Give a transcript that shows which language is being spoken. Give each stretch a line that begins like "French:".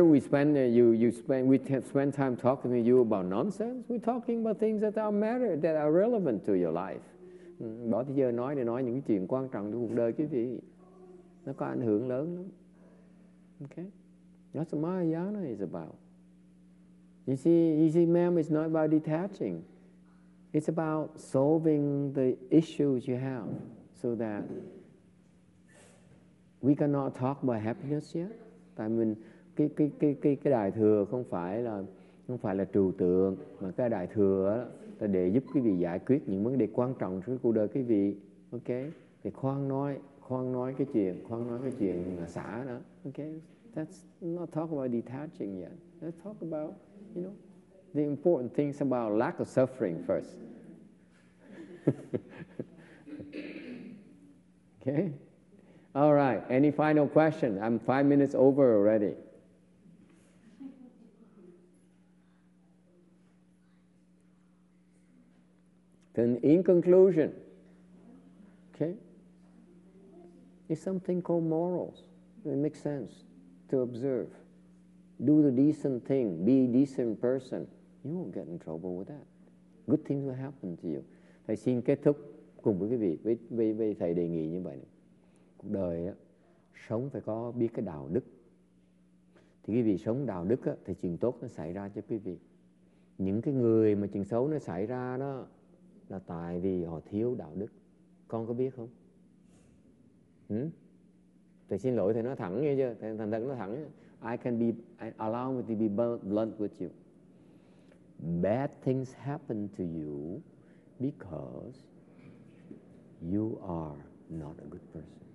English: We spend time talking to you about nonsense. We're talking about things that are matter, that are relevant to your life.
Vietnamese: Bỏ thì giờ nói để nói những cái chuyện quan trọng trong cuộc đời quý vị. Nó có ảnh hưởng lớn lắm.
English: Okay, that's what Mahayana is about. You see, ma'am, it's not about detaching. It's about solving the issues you have so that. We cannot talk about happiness yet.
Vietnamese: Tại mình cái đại thừa không phải là trừu tượng, mà cái đại thừa là để giúp quý vị giải quyết những vấn đề quan trọng trong cuộc đời quý vị. Ok, thì khoan nói cái chuyện xả đó.
English: Ok, that's not talk about detaching yet. Let's talk about, you know, the important things about lack of suffering first. Ok. All right, any final question? I'm 5 minutes over already. Then in conclusion, OK? okay? It's something called morals. It makes sense to observe. Do the decent thing. Be a decent person. You won't get in trouble with that. Good things will happen to you.
Vietnamese: Thầy xin kết thúc cùng với quý vị với thầy đề nghị như vậy này. Cuộc đời á, sống phải có biết cái đạo đức. Thì quý vị sống đạo đức á, thì chuyện tốt nó xảy ra cho quý vị. Những cái người mà chuyện xấu nó xảy ra đó là tại vì họ thiếu đạo đức. Con có biết không? Ừ? Thầy xin lỗi, thầy nói thẳng nghe chưa? Thầy thành thật nói thẳng.
English: I can be, I allow me to be blunt with you. Bad things happen to you because you are not a good person.